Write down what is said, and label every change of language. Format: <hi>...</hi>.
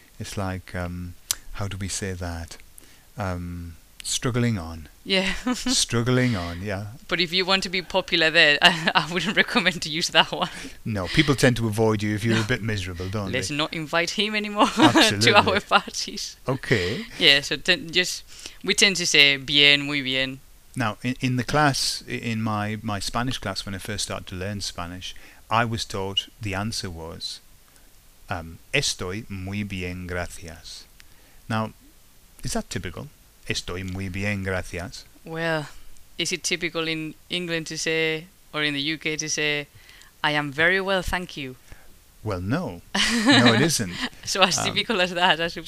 <en>It's like, how do we say that? Struggling on. Yeah. Struggling on, yeah. But if you want to be popular there, I wouldn't recommend to use that one. No, people tend to avoid you if you're a bit miserable, don't Let's they? Let's not invite him anymore to our parties. Okay. Yeah, so just... We tend to say</en> <es>bien, muy bien.</es> <en>Now, in the class, in my Spanish class, when I first started to learn Spanish, I was told the answer was,</en> <es>estoy muy bien, gracias.</es> <en>Now, is that typical?</en> <es>Estoy muy bien, gracias.</es> <en>Well, is it typical in England to say, or in the UK to say, I am very well, thank you? Well, no. No, it isn't. So as typical as that, I suppose.</en>